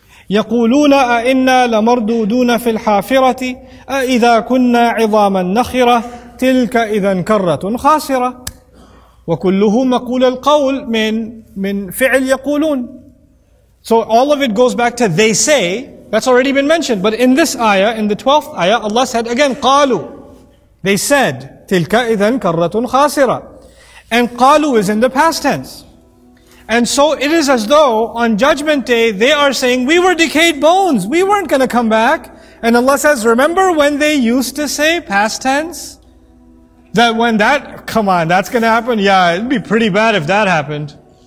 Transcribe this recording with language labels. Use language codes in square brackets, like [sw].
[ar] يَقُولُونَ أَإِنَّا لَمَرْدُودُونَ فِي الْحَافِرَةِ أَإِذَا كُنَّا عِظَامًا نَخِرَةً تِلْكَ إِذًا كَرَّةٌ خَاسِرَةٌ وَكُلُّهُ مَقُولَ الْقَوْلِ مِنْ فِعْلْ يَقُولُونَ. [en] So all of it goes back to they say, that's already been mentioned. But in this ayah, in the 12th ayah, Allah said again, قَالُوا. They said, [ar] تِلْكَ إِذًا كَرَّةٌ خَاسِرَةٌ. [en] And قَالُوا is in the past tense. And so it is as though on Judgment Day, they are saying, we were decayed bones. We weren't going to come back. And Allah says, remember when they used to say, past tense? That when that, come on, that's going to happen? Yeah, it'd be pretty bad if that happened.